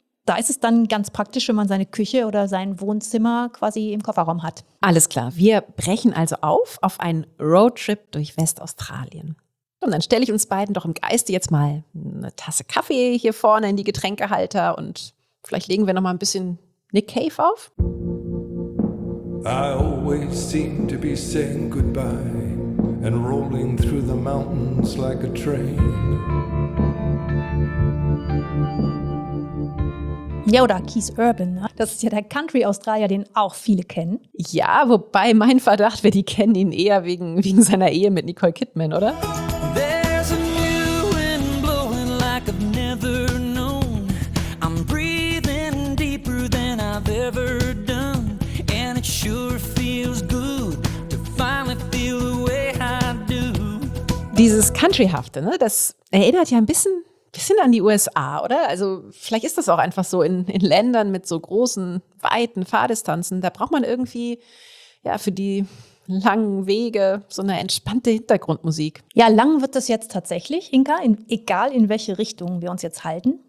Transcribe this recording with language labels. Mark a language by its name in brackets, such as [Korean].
[German] Da ist es dann ganz praktisch, wenn man seine Küche oder sein Wohnzimmer quasi im Kofferraum hat. Alles klar, wir brechen also auf einen Roadtrip durch Westaustralien. Und dann stelle ich uns beiden doch im Geiste jetzt mal eine Tasse Kaffee hier vorne in die Getränkehalter und vielleicht legen wir noch mal ein bisschen Nick Cave auf. [English] I always seem to be saying goodbye and rolling through the mountains like a train. [German] Ja, oder Keith Urban, ne? Das ist ja der Country-Australier, den auch viele kennen. Ja, wobei mein Verdacht wäre, die kennen ihn eher wegen seiner Ehe mit Nicole Kidman, oder? [English] There's a new wind blowing like I've never known. I'm breathing deeper than I've ever done. And it sure feels good to finally feel the way I do. [German] Dieses Country-hafte, ne? Das erinnert ja ein bisschen an die USA, oder? Also vielleicht ist das auch einfach so in Ländern mit so großen, weiten Fahrdistanzen. Da braucht man irgendwie ja, für die langen Wege, so eine entspannte Hintergrundmusik. Ja, lang wird das jetzt tatsächlich, Inka, egal in welche Richtung wir uns jetzt halten.